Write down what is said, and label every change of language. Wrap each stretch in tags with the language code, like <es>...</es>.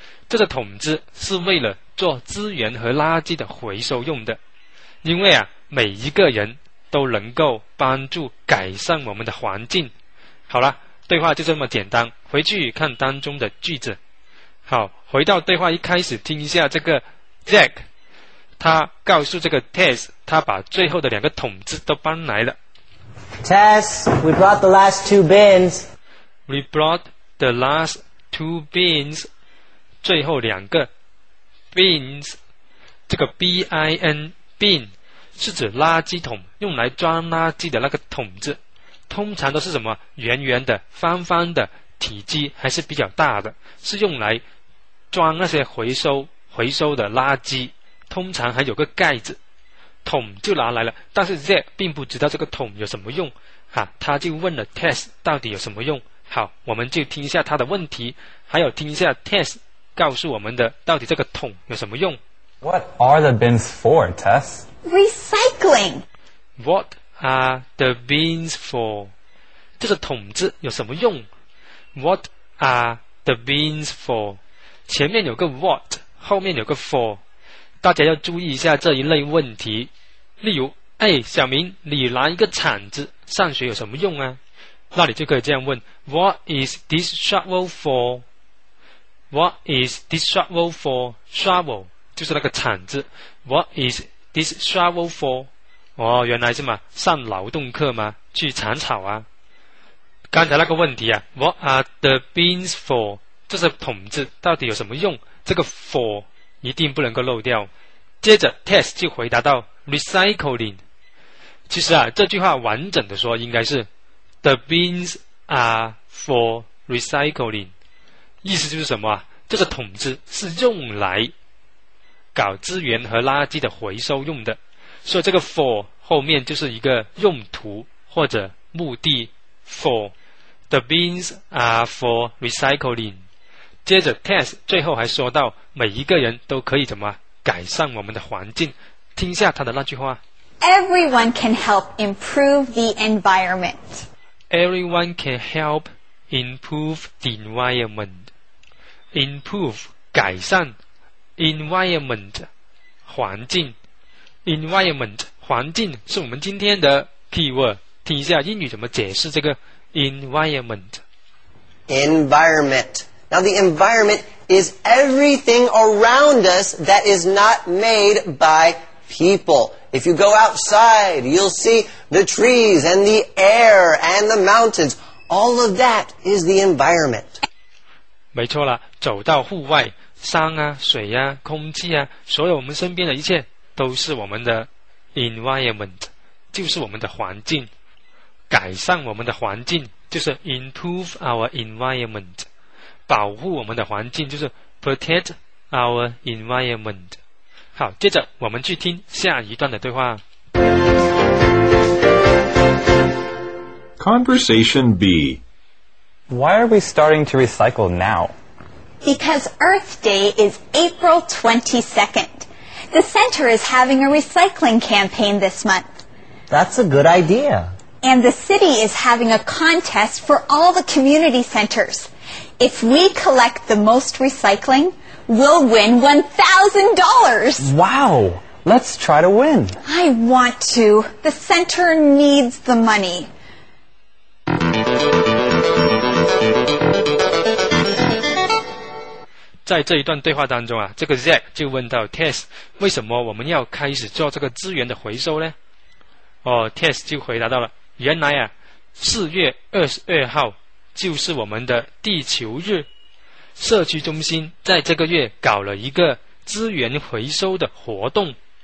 <zh>这个桶子是为了做资源和垃圾的回收用的，因为啊，每一个人都能够帮助改善我们的环境。好了，对话就这么简单，回去看当中的句子。好，回到对话一开始，听一下这个 Jack， 他告诉这个 Tess， 他把最后的两个桶子都搬来了。</zh> <en>Tess， we brought the last two bins. We brought the last two bins.</en> <zh>最后两个 bins， 这个 bin bin 是指垃圾桶，用来装垃圾的那个桶子，通常都是什么圆圆的、方方的，体积还是比较大的，是用来装那些回收的垃圾，通常还有个盖子，桶就拿来了。但是 Z 并不知道这个桶有什么用，他就问了 Tess 到底有什么用。好，我们就听一下他的问题，还有听一下 Tess。告诉我们的到底这个桶有什么用</zh> <en>What are the bins for, Tess? Recycling What are the bins for?</en> <zh>这个桶子有什么用</zh> <en>What are the bins for?</en> <zh>前面有个 what 后面有个 for 大家要注意一下这一类问题例如哎，小明你拿一个铲子上学有什么用啊那你就可以这样问</zh> <en>What is this shovel forWhat is this shovel for?</en> <zh>Shovel 就是那个铲子</zh> <en>What is this shovel for?</en> <zh>哦，原来是嘛，上劳动课嘛，去铲草啊。刚才那个问题啊</zh> <en>What are the bins for?</en> <zh>这是统治到底有什么用，这个 for 一定不能够漏掉。接着 Tess 就回答到 recycling。其实啊，这句话完整的说应该是</zh> <en>the bins are for recycling，</en> <zh>意思就是什么啊，这个桶子是用来搞资源和垃圾的回收用的，所以这个 for 后面就是一个用途或者目的 for。</zh> <en>The bins are for recycling。</en> <zh>接着 Tess 最后还说到每一个人都可以怎么改善我们的环境，听一下他的那句话。</zh> <en>Everyone can help improve the environment. Everyone can help improve the environment.</en> <zh>Improve 改善， environment 环境， environment 环境是我们今天的 keyword。听一下英语怎么解释这个 environment。</zh> <en>Environment. Now the environmentis everything around us that is not made by people. If you go outside, you'll see the trees and the air and the mountains. All of that is the environment.</en> <zh>没错了，走到户外，山啊，水啊，空气啊，所有我们身边的一切都是我们的 environment， 就是我们的环境。改善我们的环境就是</zh> <en>improve our environment。</en> <zh>保护我们的环境就是</zh> <en>protect our environment。</en> <zh>好，接着我们去听下一段的对话。</zh> <en>Conversation B. Why are we starting to recycle now? Because Earth Day is April 22nd. The center is having a recycling campaign this month. That's a good idea. And the city is having a contest for all the community centers. If we collect the most recycling, we'll win $1,000. Wow! Let's try to win. I want to. The center needs the money. In this</en> <zh>一段对话当中啊，这个 Zack 就问到 Tess， 为什么我们要开始做这个资源的回收呢？哦 ，Tess 就回答到了，原来啊，4月22号。就是我们的地球日，社区中心在这个月搞了一个资源回收的活动。</zh>